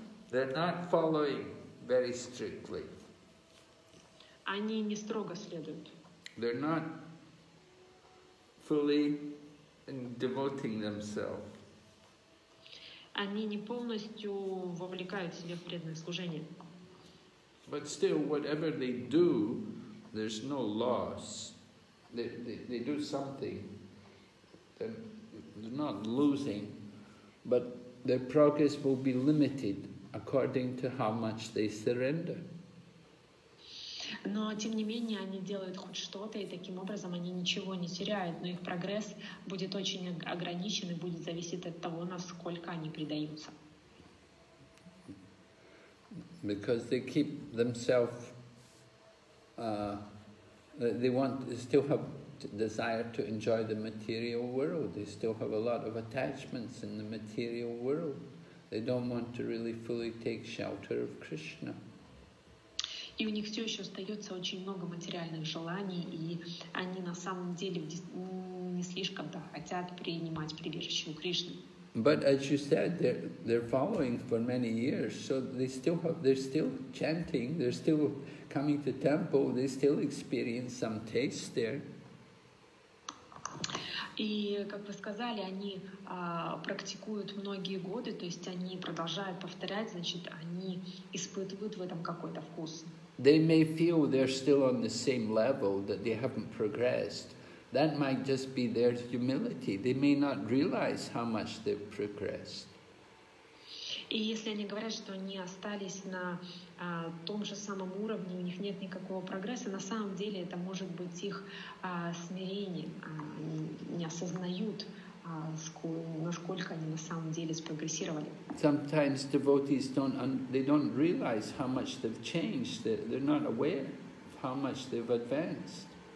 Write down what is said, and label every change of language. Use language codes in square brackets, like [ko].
[en] They're not following very strictly. [ru] Они не строго следуют. [en] They're not fully devoting themselves. [ru] Они не полностью вовлекают себя в преданное служение. [en] But still, whatever they do, there's no loss. They do something. They're not losing, but their progress will be limited according to how much they surrender. [ru] Но тем не менее они делают хоть что-то, и таким образом они ничего не теряют, но их прогресс будет очень ограничен и будет зависеть от того, насколько они предаются. [en] Because they keep themselves they want still have desire to enjoy the material world. They still have a lot of attachments in the material world. They don't want to really fully take shelter of Krishna. [ru] И у них все еще остается очень много материальных желаний, и они на самом деле не слишком-то хотят принимать прибежище у Кришны. [en] But as you said, they're following for many years, so they're still chanting, they're still coming to temple, they still experience some taste there. [ru] И, как вы сказали, они практикуют многие годы, то есть они продолжают повторять, значит, они испытывают в этом какой-то вкус. [en] They may feel they're still on the same level, that they haven't progressed. That might just be their humility. They may not realize how much they've progressed. [ru] И если они говорят, что они остались на том же самом уровне, у них нет никакого прогресса, на самом деле это может быть их смирение. Они не осознают, насколько они на самом деле спрогрессировали. [en] Sometimes devotees don't realize how much they've changed. They're not aware of how much they've advanced.